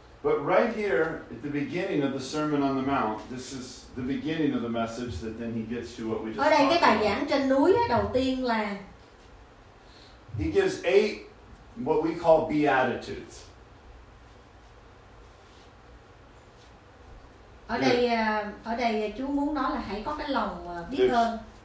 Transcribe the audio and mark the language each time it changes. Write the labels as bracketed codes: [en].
[en] But right here at the beginning of the Sermon on the Mount, this is the beginning of the message that then he gets to what we just talked about. [vi] Ở đây cái bài giảng trên núi á, đầu tiên là [en] he gives eight what we call beatitudes. [vi] Ở đây chú muốn nói là hãy có cái lòng biết ơn.